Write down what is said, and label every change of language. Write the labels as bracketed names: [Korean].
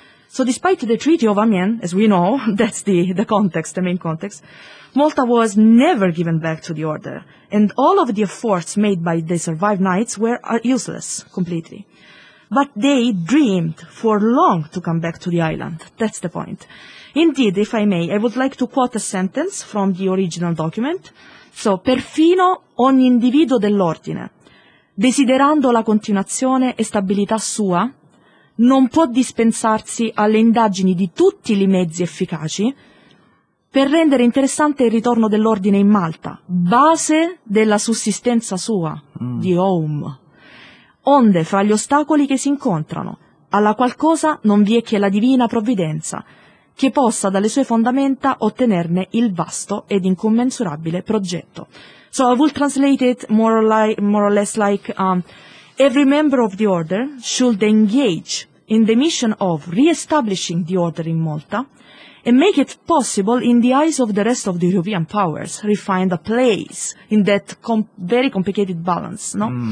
[English] So despite the Treaty of Amiens, as we know, that's the context, the main context, Malta was never given back to the order, and all of the efforts made by the survived knights were useless completely. But they dreamed for long to come back to the island. That's the point. Indeed, if I may, I would like to quote a sentence from the original document. [Italian] So, perfino ogni individuo dell'ordine, desiderando la continuazione e stabilità sua, non può dispensarsi alle indagini di tutti i mezzi efficaci per rendere interessante il ritorno dell'ordine in Malta, base della sussistenza sua, di home. Onde, fra gli ostacoli che si incontrano, alla qualcosa non vi è che la divina provvidenza, che possa dalle sue fondamenta ottenerne il vasto ed incommensurabile progetto. [English] So I will translate it more or less like, every member of the order should engage in the mission of re-establishing the order in Malta and make it possible in the eyes of the rest of the European powers to find a place in that very complicated balance, no?